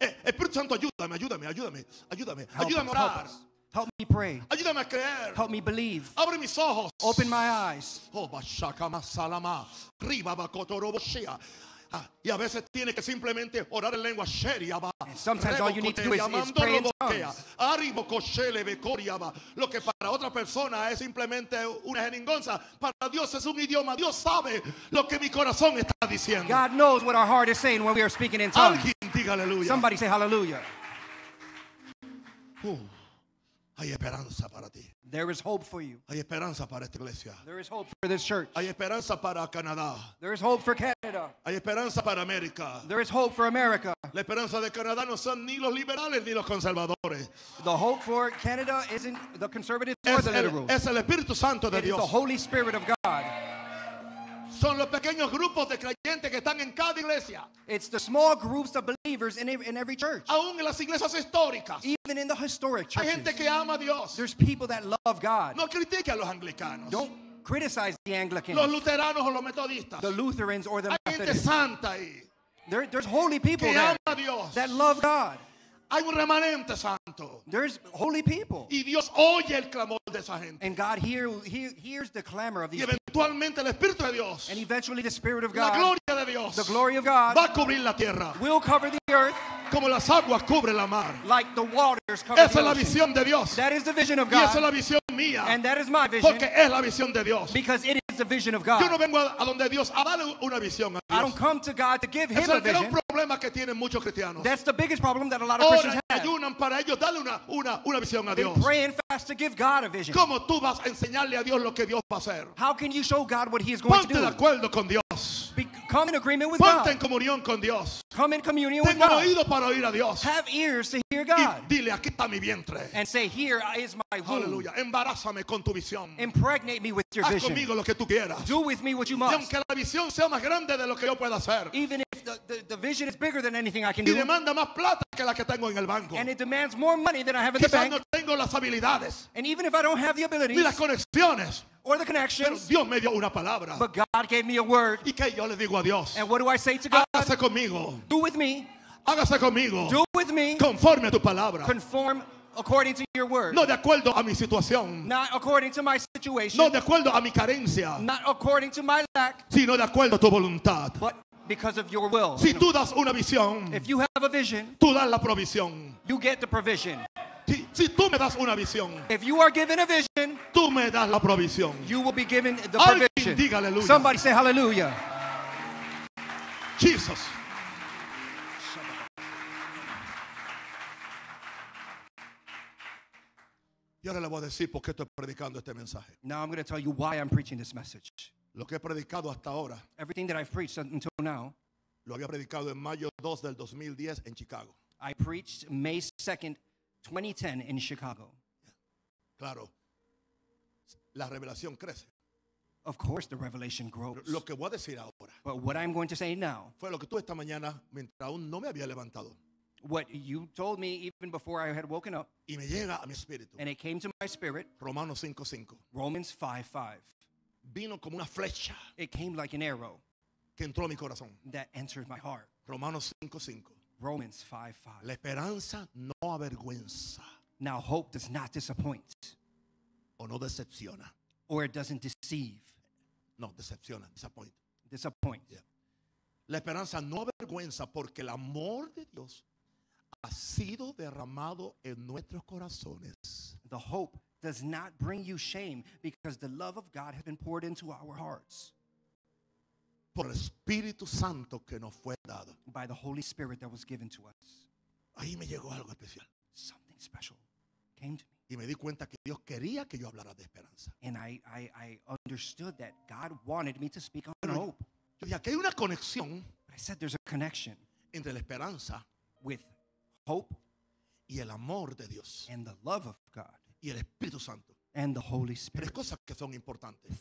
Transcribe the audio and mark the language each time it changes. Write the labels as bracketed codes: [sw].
[es] Espíritu Santo, ayúdame, ayúdame, ayúdame, ayúdame. Ayúdame a orar. [en] Help me pray. [es] Ayúdame a creer. [en] Help me believe. [es] Abre mis ojos. [en] Open my eyes. Oh, bashaka masalama, riba bakotoroboshia. [es] Y a veces tiene que simplemente orar en lengua sheria ba. [en] Sometimes all you need to do is pray in tongues. Arimo koshele bekoria ba. [es] Lo que para otra persona es simplemente una jeringonza, para Dios es un idioma. Dios sabe lo que mi corazón está diciendo. [en] God knows what our heart is saying when we are speaking in tongues. [es] Alguien diga aleluya. [en] Somebody say hallelujah. [es] Hay esperanza para ti. [en] There is hope for you. [es] Hay esperanza para esta iglesia. [en] There is hope for this church. [es] Hay esperanza para Canadá. [en] There is hope for Canada. [es] Hay esperanza para América. [en] There is hope for America. [es] La esperanza de Canadá no son ni los liberales ni los conservadores. [en] The hope for Canada isn't the conservatives or the liberals. [es] Es el Espíritu Santo de Dios. [en] It is the Holy Spirit of God. [es] Son los pequeños grupos de creyentes que están en cada iglesia. [en] It's the small groups of believers in every church. [es] Aún en las iglesias históricas. [en] Even in the historic churches. [es] Hay gente que ama a Dios. [en] There's people that love God. [es] No critique a los anglicanos. [en] Don't criticize the Anglicans. [es] Los luteranos o los metodistas. [en] The Lutherans or the Methodists. [es] Hay gente santa ahí. [en] There's holy people [es] que [en] there [es] ama a Dios. [en] That love God. [es] Hay un remanente santo. [en] There's holy people. [es] Y Dios oye el clamor de esa gente. [en] And God hears the clamor of these [es] y eventualmente [en] people. [es] El Espíritu de Dios. [en] And eventually the Spirit of God. [es] La gloria de Dios. [en] The glory of God. [es] Va a cubrir la tierra. [en] Will cover the earth. [es] Como las aguas cubren la mar. [en] Like the waters cover [es] esa Esa es la visión de Dios. [en] That is the vision of God. [es] Y esa es la visión mía. [en] And that is my vision. [es] Porque es la visión de Dios. [en] Because it is the vision of God. [es] Yo no vengo a donde Dios a darle una visión a Dios. [en] I don't come to God to give him a vision. [es] Que tienen muchos cristianos. [en] That's the biggest problem that a lot of Christians have. [es] Ayunan para ellos darle una visión a Dios. [en] Pray and fast to give God a vision. [es] ¿Cómo tú vas a enseñarle a Dios lo que Dios va a hacer? [en] How can you show God what he is going [es] ponte [en] to do? [es] Ponte de acuerdo con Dios. [en] Come in agreement with [es] ponte [en] God. [es] Ponte en comunión con Dios. [en] Come in communion [es] tengo [en] with God. [es] Tengo oído para oír a Dios. [en] Have ears to hear God. [es] Y dile, aquí está mi vientre. [en] And say, here is my womb. [es] Hallelujah. Embarázame con tu visión. [en] Impregnate me with your [es] haz [en] vision. [es] Haz conmigo lo que tú quieras. [en] Do with me what you must. [es] Y aunque la visión sea más grande de lo que yo pueda hacer. [en] Even if the vision is bigger than anything I can do. [es] Y demanda más plata que la que tengo en el banco. [en] And it demands more money than I have in the bank. [es] No tengo las habilidades. [en] And even if I don't have the abilities. [es] Ni las conexiones. [en] Or the connections. [es] Pero Dios me dio una palabra. [en] But God gave me a word. [es] ¿Y qué yo le digo a Dios? [en] And what do I say to God? [es] Hágase conmigo. [en] Do with me. [es] Hágase conmigo. [en] Do with me. [es] Conforme a tu palabra. [en] Conform according to your word. [es] No de acuerdo a mi situación. [en] Not according to my situation. [es] No de acuerdo a mi carencia. [en] Not according to my lack. [es] Sino de acuerdo a tu voluntad. [en] But because of your will. [es] Si tú das una visión, [en] if you have a vision, [es] tú das la provisión. [en] You get the provision. [es] Si tú me das una visión, [en] if you are given a vision, [es] tú me das la provisión. [en] You will be given the provision. [es] Diga aleluya. [en] Somebody say hallelujah. Jesus. [es] Y ahora le voy a decir por qué estoy predicando este mensaje. [en] Now I'm going to tell you why I'm preaching this message. [es] Lo que he predicado hasta ahora. [en] Everything that I've preached until now. [es] Lo había predicado en mayo 2 del 2010 en Chicago. [en] I preached May 2nd, 2010 in Chicago. [es] Claro. La revelación crece. [en] Of course the revelation grows. [es] Pero lo que voy a decir ahora. [en] But what I'm going to say now. [es] Fue lo que tuve esta mañana mientras aún no me había levantado. [en] What you told me even before I had woken up. [es] Y me llega a mi espíritu. [en] And it came to my spirit. [es] Romanos 5:5. [en] Romans 5:5. [es] Vino como una flecha. [en] It came like an arrow. [es] Que entró a mi corazón. [en] That entered my heart. [es] Romanos 5:5. [en] Romans 5:5. [es] La esperanza no avergüenza. [en] Now hope does not disappoint. [es] O no decepciona. [en] Or it doesn't deceive. [es] No, decepciona, [en] disappoint. Disappoint. Yeah. [es] La esperanza no avergüenza porque el amor de Dios ha sido derramado en nuestros corazones. [en] The hope does not bring you shame because the love of God has been poured into our hearts. [es] Por el Espíritu Santo que nos fue dado. [en] By the Holy Spirit that was given to us. [es] Ahí me llegó algo especial. [en] Something special came to me. [es] Y me di cuenta que Dios quería que yo hablara de esperanza. [en] And I understood that God wanted me to speak on hope. [es] Yo dije, aquí hay una conexión. [en] But I said there's a connection. [es] Entre la esperanza. [en] With hope. [es] Y el amor de Dios. [en] And the love of God. [es] Y el Espíritu Santo. [en] And the Holy Spirit. [es] Tres cosas que son importantes.